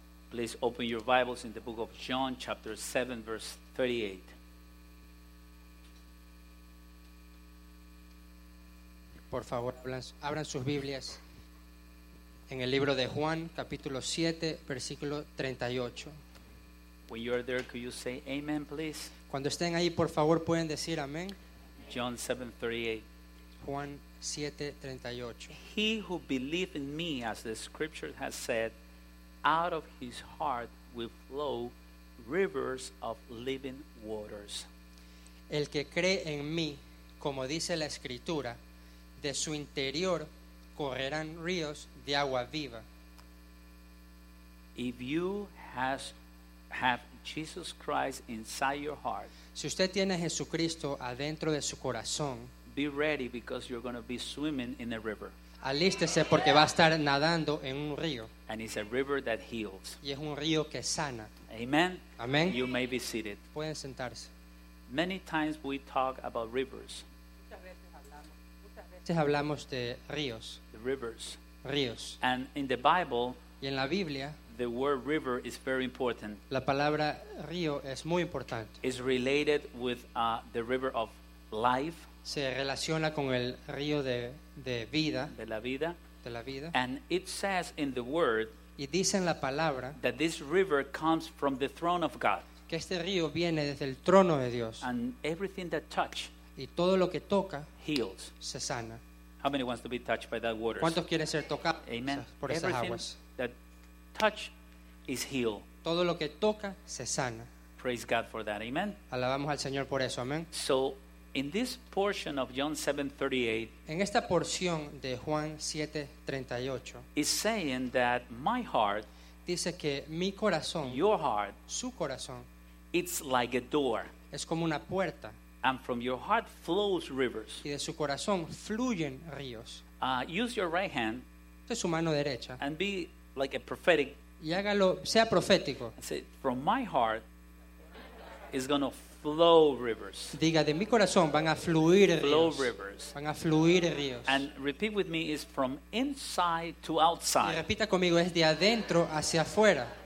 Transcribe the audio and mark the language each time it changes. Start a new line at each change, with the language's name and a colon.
English: Please open your Bibles in the book of John chapter 7 verse 38.
Spanish: Por favor, abran sus Biblias en el libro de Juan capítulo 7 versículo 38.
English: When you are there, could you say amen, please?
Spanish: Cuando estén ahí, por favor, pueden decir amén.
English: John 7:38.
Spanish: Juan 7:38.
English: He who believes in me, as the scripture has said, out of his heart will flow rivers of living waters.
Spanish: El que cree en mí, como dice la escritura, de su interior correrán ríos de agua viva.
English: If you have Jesus Christ inside your heart.
Spanish: Si usted tiene a Jesucristo adentro de su corazón,
English: be ready because you're going to be swimming in a river.
Spanish: Alístese porque va a estar nadando en un río.
English: And it's a river that heals.
Spanish: Y es un río que sana. Amen. Amen.
English: You may be seated.
Spanish: Pueden sentarse.
English: Many times we talk about rivers.
Spanish: Muchas veces hablamos de ríos.
English: The rivers.
Spanish: Ríos.
English: And in the Bible.
Spanish: Y en la Biblia.
English: The word river is very important.
Spanish: La palabra río es muy importante.
English: It's related with the river of life.
Spanish: Se relaciona con el río de vida. De la vida. De la vida.
English: And it says in the word.
Spanish: Y dice en la palabra.
English: That this river comes from the throne of God.
Spanish: Que este río viene desde el trono de Dios.
English: And everything that touch.
Spanish: Y todo lo que toca.
English: Heals.
Spanish: Se sana.
English: How many wants to be touched by that water?
Spanish: ¿Cuántos quieren ser tocados? Amen. Por esas
English: everything
Spanish: aguas.
English: That touch is healed.
Spanish: Todo lo que toca se sana.
English: Praise God for that. Amen.
Spanish: Alabamos al Señor por eso. Amen.
English: So, in this portion of John 7:38,
Spanish: en esta porción de Juan 7:38,
English: is saying that my heart,
Spanish: dice que mi corazón,
English: your heart,
Spanish: su corazón,
English: it's like a door.
Spanish: Es como una puerta.
English: And from your heart flows rivers.
Spanish: Y de su corazón fluyen ríos.
English: Use your right hand.
Spanish: De su mano derecha.
English: And be like a prophetic.
Spanish: Y hágalo, sea profético.
English: Say, from my heart is going to flow rivers.
Spanish: Diga, de mi corazón van a fluir ríos.
English: Flow rivers.
Spanish: Van a fluir ríos.
English: And repeat with me, is from inside to outside.
Spanish: Y repita conmigo, es de adentro hacia afuera.